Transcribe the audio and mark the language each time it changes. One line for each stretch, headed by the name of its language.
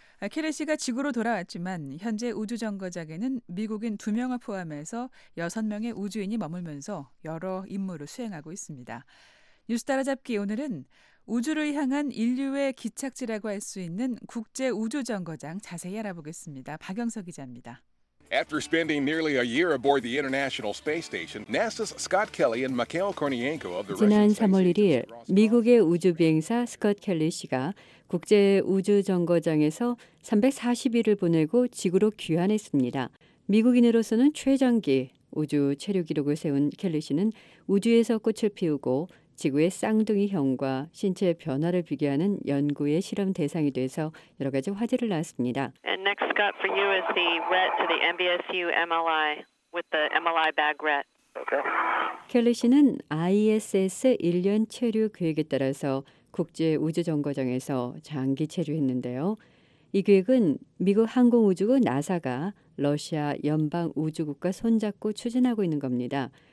Korean: 켈리 씨가 지구로 돌아왔지만 현재 우주정거장에는 미국인 두 명을 포함해서 여섯 명의 우주인이 머물면서 여러 임무를 수행하고 있습니다. 뉴스 따라잡기 오늘은 우주를 향한 인류의 기착지라고 할 수 있는 국제 우주정거장 자세히 알아보겠습니다. 박영석 기자입니다.
English: After spending nearly a year aboard the International Space Station, NASA's Scott Kelly and Mikhail Korniyenko of the Russian Space Agency.
Korean: 지난 3월 1일 미국의 우주비행사 스콧 켈리 씨가 국제 우주정거장에서 340일을 보내고 지구로 귀환했습니다. 미국인으로서는 최장기 우주 체류 기록을 세운 켈리 씨는 우주에서 꽃을 피우고 지구의 쌍둥이 형과 신체의 변화를 비교하는 연구의 실험 대상이 돼서 여러 가지 화제를 낳았습니다.
English: And next, Scott, for you is the ret to the MBSU MLI with the MLI bag ret. Okay.
Korean: 켈리 씨는 ISS 1년 체류 계획에 따라서 국제 우주정거장에서 장기 체류했는데요. 이 계획은 미국 항공우주국 나사가 러시아 연방우주국과 손잡고 추진하고 있는 겁니다.